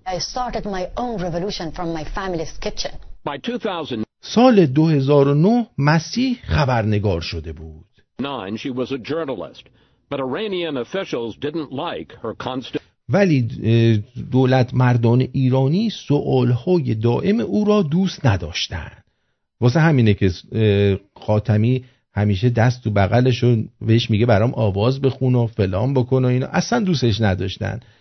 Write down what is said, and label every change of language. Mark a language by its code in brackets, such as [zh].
[en] I started my own revolution from my family's kitchen. By 2000, [fa] سال 2009 مسیح خبرنگار شده بود. [en] Nine, she was a journalist, but Iranian officials didn't like her constant. [fa] ولی دولت مردان ایرانی سوال‌های دائم او را دوست نداشتند. واسه همینه که خاتمی همیشه دست تو بغلش و بهش میگه برام آواز بخون و فلان بکن و اینا، اصلا دوستش نداشتن.